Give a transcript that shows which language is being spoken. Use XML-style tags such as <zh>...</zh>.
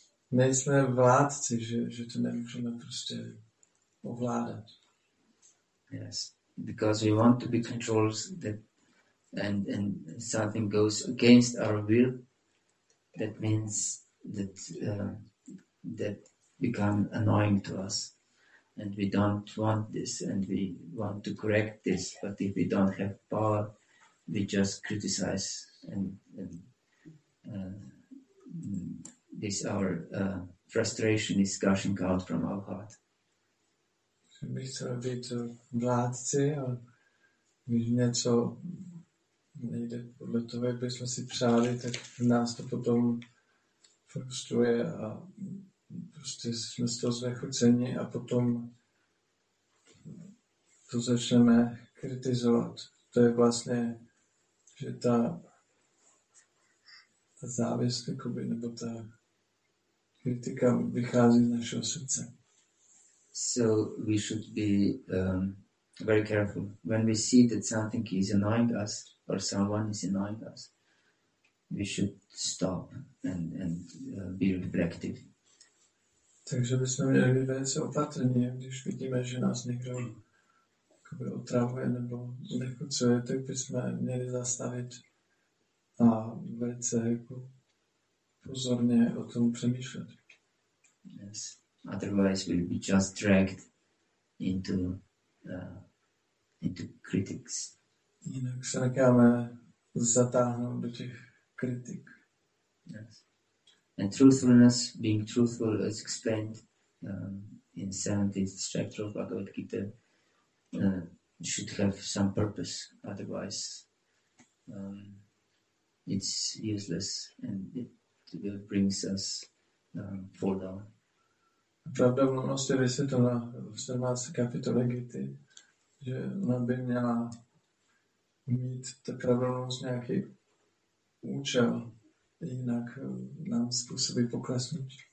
<cs>nejsme vládci, že to nemůžeme prostě ovládat.</cs> <en>Yes, because we want to be controlled that and something goes against our will, that means that that become annoying to us. And we don't want this, and we want to correct this. But if we don't have power, we just criticize, and this our frustration is gushing out from our heart.</en> <cs>Chceme být vládci, a když něco nejde podle toho, jak bychom si přáli, tak nás to potom frustruje a prostě jsme z toho znechuceni a potom to začneme kritizovat. To je vlastně, že ta závist, jakoby, nebo ta kritika vychází z našeho srdce.</cs> <en>So we should be very careful. When we see that something is annoying us or someone is annoying us, we should stop and be reflective.</en> <cs>Takže bychom měli být velice opatrní, když vidíme, že nás někdo otravuje nebo znechucuje, tak bychom měli zastavit a velice jako pozorně o tom přemýšlet.</cs> <en>Yes. Otherwise we'll be just dragged into critics.</en> <cs>Jinak se necháme zatáhnout do těch kritik.</cs> <en>Yes. And truthfulness, being truthful, as explained in 17th chapter of Bhagavad Gita, should have some purpose, otherwise it's useless and it brings us fall down.</en> <cs>Pravda v mnohosti vysvětlena v 17. kapitole Gity, že ona by měla mít ta pravdomnost nějaký účel, jinak nám způsobí poklesnout.</cs>